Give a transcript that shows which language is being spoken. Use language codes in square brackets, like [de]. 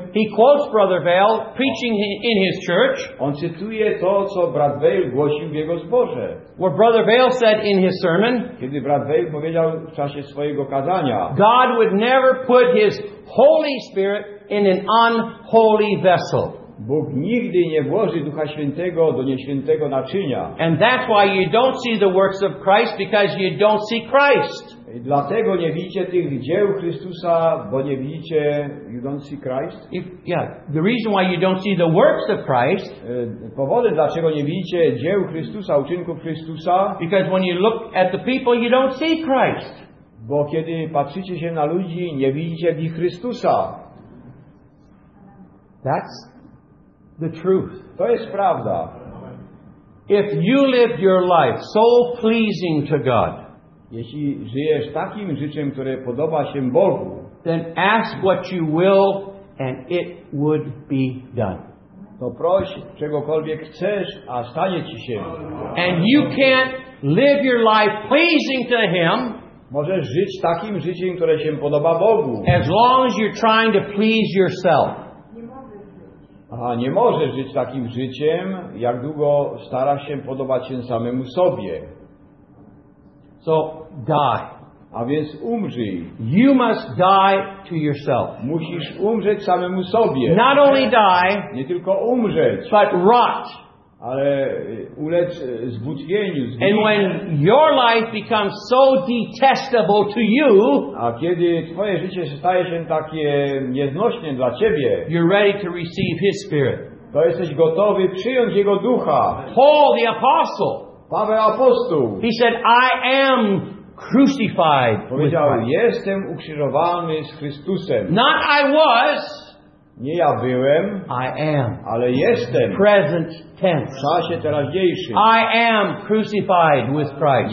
[en] He quotes Brother Vale preaching in his church. [pl] On cytuje to, co brat Vale głosił w jego zborze. [en] What Brother Vale said in his sermon, [pl] kiedy brat Vale powiedział w czasie swojego kazania, [en] God would never put his Holy Spirit in an unholy vessel. [pl] Bóg nigdy nie włoży Ducha Świętego do nieświętego naczynia. [en] And that's why you don't see the works of Christ, because you don't see Christ. [pl] I dlatego nie widzicie tych dzieł Chrystusa, bo nie widzicie, [en] you don't see Christ. The reason why you don't see the works of Christ, [pl] powodem, dlaczego nie widzicie dzieł Chrystusa, uczynków Chrystusa, [en] because when you look at the people, you don't see Christ. [pl] Bo kiedy patrzycie się na ludzi, nie widzicie w nich Chrystusa. [en] That's the truth. [pl] To jest prawda. [en] If you live your life so pleasing to God, [pl] jeśli żyjesz takim życiem, które podoba się Bogu, [en] then ask what you will and it would be done. [pl] To proś czegokolwiek chcesz, a stanie ci się. [en] And you can't live your life pleasing to him. [pl] Możesz żyć takim życiem, które się podoba Bogu. [en] As long as you're trying to please yourself. [pl] A nie możesz żyć takim życiem, jak długo starasz się podobać się samemu sobie. [en] So die. [pl] A więc umrzyj. [en] You must die to yourself. [pl] Musisz umrzeć samemu sobie. [en] Not only die, [pl] nie tylko umrzeć, [en] but rot. [pl] ale ulec zbudzeniu. [en] And when your life becomes so detestable to you, [pl] a kiedy twoje życie staje się takie nieznośne dla ciebie, [en] you're ready to receive his spirit. [pl] To jesteś gotowy przyjąć jego ducha. [en] Paul the apostle. [pl] Paweł apostoł. [en] He said, I am crucified. [pl] Powiedział, jestem ukrzyżowany z Chrystusem. [en] Not I was. [pl] Nie ja byłem. [en] I am. [pl] Ale jestem. [en] Present tense. [pl] W czasie teraźniejszym. [en] I am crucified with Christ.